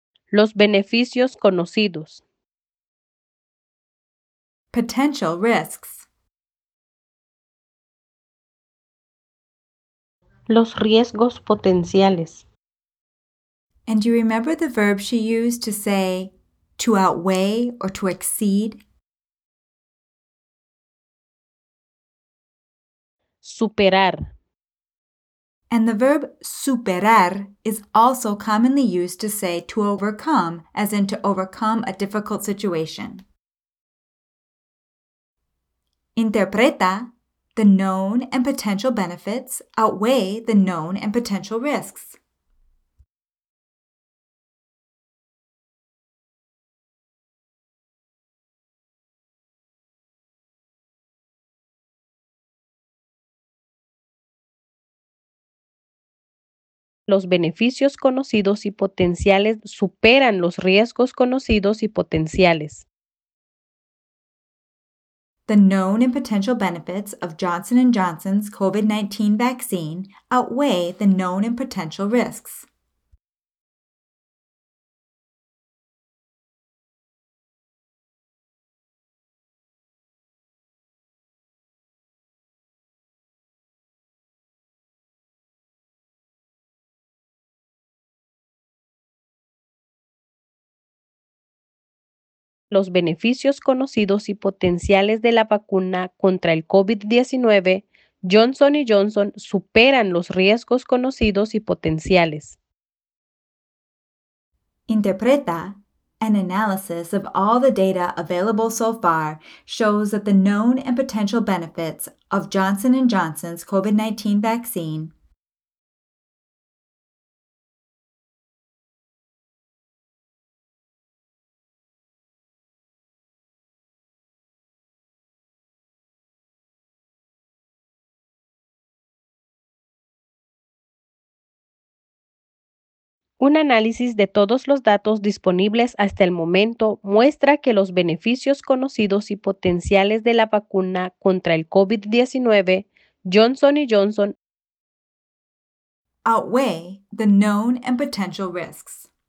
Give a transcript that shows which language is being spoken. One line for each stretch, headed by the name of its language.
Spanish: Los beneficios conocidos.
English: Potential risks.
Spanish: Los riesgos potenciales.
English: And do you remember the verb she used to say to outweigh or to exceed?
Spanish: Superar.
English: And the verb superar is also commonly used to say to overcome, as in to overcome a difficult situation. Interpreta, the known and potential benefits outweigh the known and potential risks.
Spanish: Los beneficios conocidos y potenciales superan los riesgos conocidos y potenciales.
English: The known and potential benefits of Johnson & Johnson's COVID-19 vaccine outweigh the known and potential risks.
Spanish: Los beneficios conocidos y potenciales de la vacuna contra el COVID-19, Johnson & Johnson superan los riesgos conocidos y potenciales. Interpreta.
English: An analysis of all the data available so far shows that the known and potential benefits of Johnson & Johnson's COVID-19 vaccine.
Spanish: Un análisis de todos los datos disponibles hasta el momento muestra que los beneficios conocidos y potenciales de la vacuna contra el COVID-19, Johnson & Johnson,
English: outweigh the known and potential risks.